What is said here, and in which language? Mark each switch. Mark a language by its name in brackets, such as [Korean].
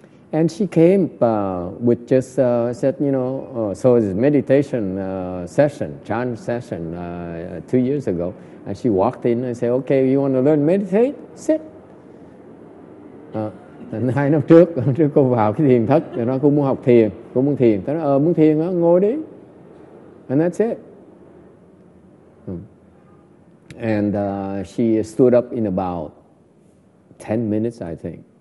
[English] And she came with just said, you know, so it's meditation session, chan session 2 years ago. And she walked in and said, okay, you want to learn meditate? Sit. [Vietnamese] Hai năm trước, cô vào cái thiền thất, rồi nói cô muốn học thiền, cô muốn thiền. Tôi nói, muốn thiền á, ngồi đi. [English] And that's it. And she stood up in about 10 minutes, I think.